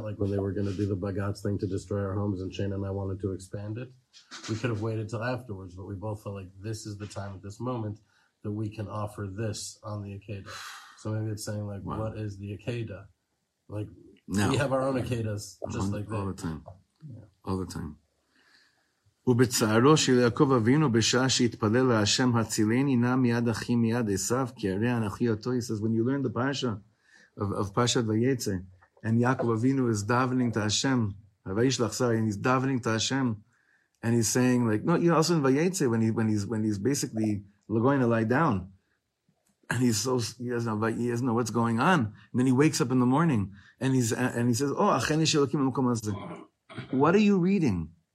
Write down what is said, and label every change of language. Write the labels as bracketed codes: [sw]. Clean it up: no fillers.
[en] Like when they were going to do the bagatz thing to destroy our homes and Shane and I wanted to expand it, we could have waited till afterwards, but we both felt like this is the time at this moment that we can offer this on the Akedah. So maybe it's saying like, wow, what is the Akedah? Like now, we have our own Akedahs just like that. All the time. Yeah. All the time. [he] ובצערו של יעקב אבינו בשעה שהתפלל להשם הצילני נע מיד אחי מיד אסף כי הרי אנכי אותו. [en] He says, when you learn the parasha of Parshat Vayetze, and Yaakov Avinu is davening to Hashem, Vayishlach, sorry, and he's davening to Hashem, and he's saying like, no, you know, also in Vayetze, when he's basically going to lie down, and he doesn't know what's going on, and then he wakes up in the morning, and he says, oh, [he] achene shelokim amakom hazeh. [en] What are you reading?